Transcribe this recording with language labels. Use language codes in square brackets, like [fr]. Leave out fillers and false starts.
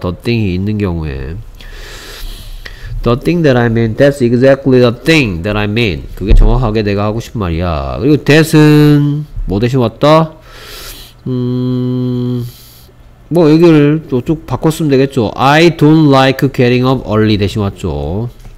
[en] the thing이 있는 경우에 the thing that I mean, that's exactly the thing that I mean. [ko] 그게 정확하게 내가 하고 싶은 말이야. 그리고 that은 뭐 대신 왔다? 뭐 여기를 쭉 바꿨으면 되겠죠. [en] I don't like getting up early [ko] 대신 왔죠.